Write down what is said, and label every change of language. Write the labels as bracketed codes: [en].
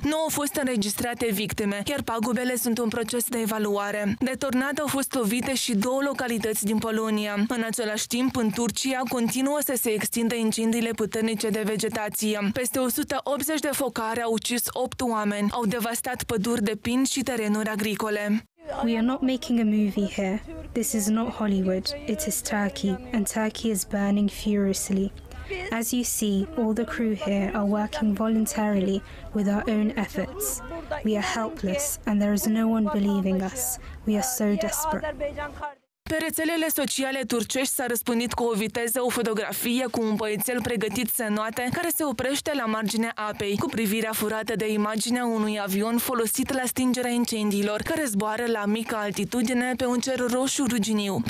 [ro] Nu au fost înregistrate victime, iar pagubele sunt în proces de evaluare. De tornadă au fost lovite și două localități din Polonia. În același timp, în Turcia, continuă să se extindă incendiile puternice de vegetație. Peste 180 de focare au ucis 8 oameni, au devastat păduri de pin și terenuri agricole. [en] We are not making a movie here. This is not Hollywood. It is Turkey, and Turkey is burning furiously. As you see, all the crew here are working voluntarily with our own efforts. We are helpless, and there is no one believing us. We are so desperate. [ro] Pe rețelele sociale turcești s-a răspândit cu o viteză o fotografie cu un băiețel pregătit să înoate care se oprește la marginea apei, cu privirea furată de imaginea unui avion folosit la stingerea incendiilor, care zboară la mică altitudine pe un cer roșu ruginiu.